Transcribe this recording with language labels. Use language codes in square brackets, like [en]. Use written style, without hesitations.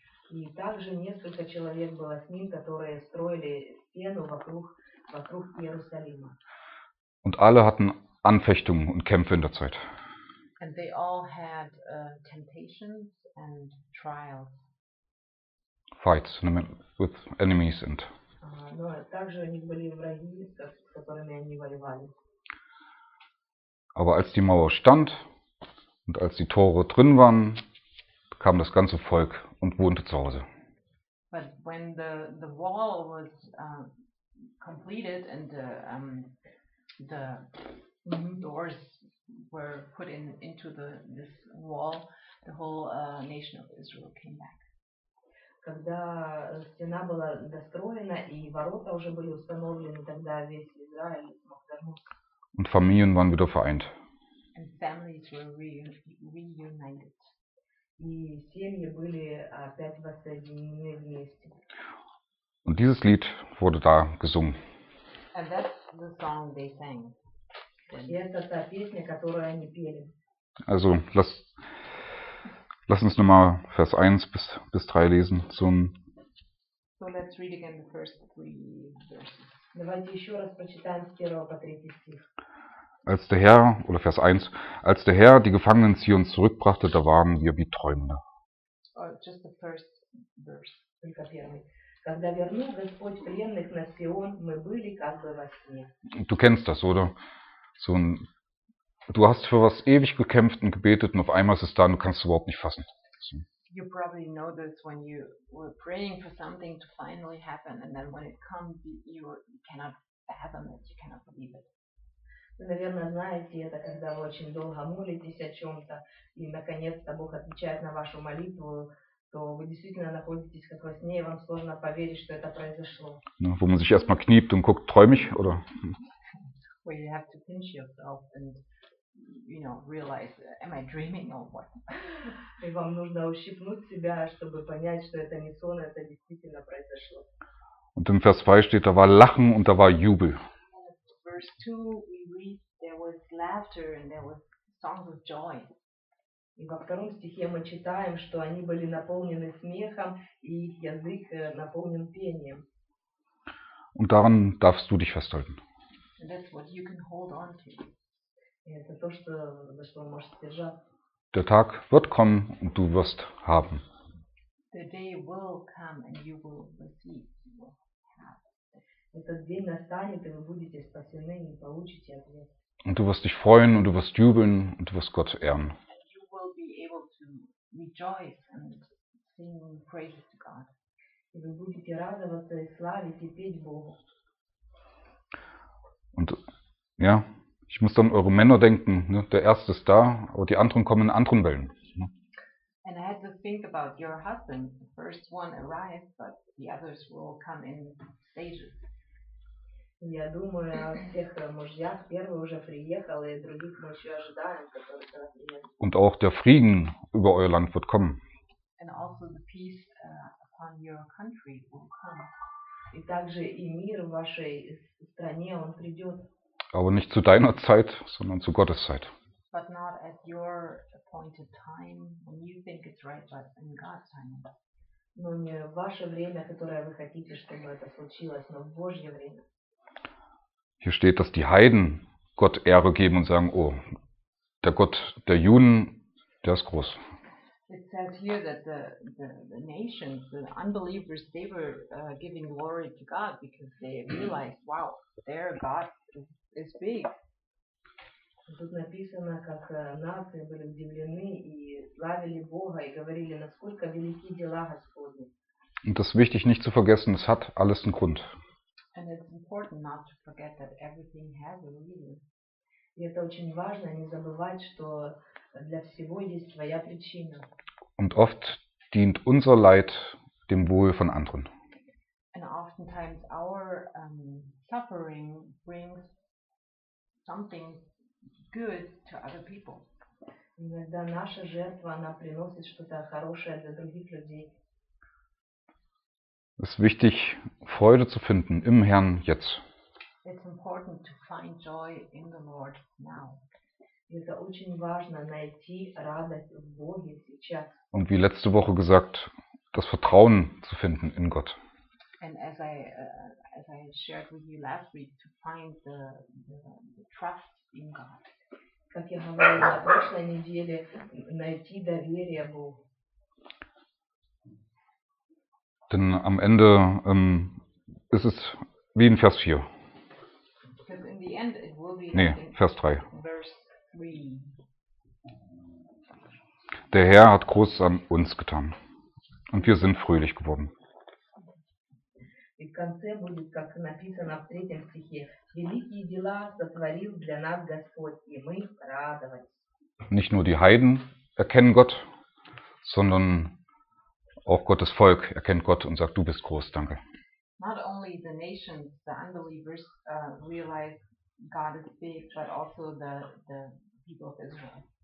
[ru] И также несколько человек было с ним, которые строили стену вокруг Иерусалима. [de] Und alle hatten Anfechtungen und Kämpfe in der Zeit. [en] And they all had temptations and trials. Fights with enemies and. [ru] Но также у них были враги, с которыми они воевали. [de] Aber als die Mauer stand. Und als die Tore drin waren, kam das ganze Volk und wohnte zu Hause. [en] But when the wall was completed and the doors were put in into the this wall, the whole nation of Israel came back. [ru] Когда стена была достроена и ворота уже были установлены, тогда весь Израиль смог вернуться. [de] Und Familien waren wieder vereint. [en] And families were reunited. [ru] И семьи были опять воссоединены вместе. [de] Und dieses Lied wurde da gesungen. [en] And that's the song they sang. [ru] И это та песня, которую они пели. [de] Also, lass uns nochmal Vers 1 bis 3 lesen. [en] So let's read again the first three verses. [ru] Давайте еще раз прочитаем с 1 по 3 стих. [de] Als der Herr, oder Vers 1, als der Herr die Gefangenen Zion zurückbrachte, da waren wir wie Träumende. [en] Just the first verse. [ru] Когда вернул Господь пленных на Сион, мы были как бы во сне. [de] Du kennst das, oder? So ein, du hast für was ewig gekämpft und gebetet und auf einmal ist es da und du kannst es überhaupt nicht fassen. [en] You probably know this when you were praying for something to finally happen and then when it comes, you cannot fathom it, you cannot believe it. [ru] Вы, наверное, знаете это, когда вы очень долго молитесь о чем-то и, наконец-то, Бог отвечает на вашу молитву, то вы действительно находитесь как во сне и вам сложно поверить, что это произошло. [de] Ну, wo man sich erstmal kniept und guckt, träum ich, oder? [en] Where you have to pinch yourself and, you know, realize, am I dreaming or what? [ru] И вам нужно ущипнуть себя, чтобы понять, что это не сон, это действительно произошло. [de] Und in Vers 2 steht, da war Lachen und da war Jubel. [en] Verse 2, we read, there was laughter and there was songs of joy. [ru] И во втором стихе мы читаем, что они были наполнены смехом и их язык наполнен пением. [de] Und daran darfst du dich festhalten. [en] And that's what you can hold on to. [ru] Это то, что, за что вы можете держаться. [de] Der Tag wird kommen und du wirst haben. [en] The day will come and you will receive. [ru] Этот день настанет, и вы будете спасены и получите ответ. [de] Und du wirst dich freuen und du wirst jubeln und du wirst Gott ehren. [en] And you will be able to rejoice and sing praises to God. [ru] И вы будете радоваться и славить и петь Богу. [de] Und ja, ich muss dann an eure Männer denken, ne? Der erste ist da, aber die anderen kommen in anderen Wellen. Ne? [en] And I had to think about your husband. The first one arrived, but the others will come in stages. [ru] Я думаю о всех мужьях, первый уже приехал, и других мы еще ожидаем, которые сюда приедут. [de] Und auch der Frieden über euer Land wird kommen. [en] And also the peace upon your country will come. [ru] И также и мир в вашей стране, он придет. [de] Aber nicht zu deiner Zeit, sondern zu Gottes Zeit. [en] But not at your appointed time, when you think it's right, but in God's time. [ru] Но не в ваше время, которое вы хотите, чтобы это случилось, но в Божье время. [de] Hier steht, dass die Heiden Gott Ehre geben und sagen, oh, der Gott der Juden, der ist groß. [en] It says here that the nations, the unbelievers, they were giving glory to God because they realized, wow, their God is big. [ru] Тут написано, как нации были удивлены и славили Бога и говорили, насколько велики дела Господни. [de] Und das ist wichtig, nicht zu vergessen, es hat alles einen Grund. [en] And it's important not to forget that everything has a reason. [ru] И это очень важно, не забывать, что для всего есть своя причина. [de] Und oft dient unser Leid dem Wohl von anderen. [en] And oftentimes our suffering brings something good to other people. [ru] Иногда наша жертва, она приносит что-то хорошее для других людей. [de] Es ist wichtig, Freude zu finden im Herrn jetzt. [en] It's important to find joy in the Lord now. [ru] Это очень важно найти радость в Боге сейчас. [de] Und wie letzte Woche gesagt, das Vertrauen zu finden in Gott. [en] And as I shared with you last week, to find the trust in God. [ru] Как я говорила на прошлой неделе, найти доверие Богу. [de] Denn am Ende ist es wie in Vers 4. [en] In the end it will be [de] Vers 3. [en] Verse 3. [de] Der Herr hat Großes an uns getan. Und wir sind fröhlich geworden. [ru] И в конце будет, как написано в третьем стихе, великие дела сотворил для нас Господь, и мы радовались. [de] Nicht nur die Heiden erkennen Gott, sondern auch Gottes Volk erkennt Gott und sagt, du bist groß, danke. [en] Not only the nations, the unbelievers realize God is big, but also the people of Israel.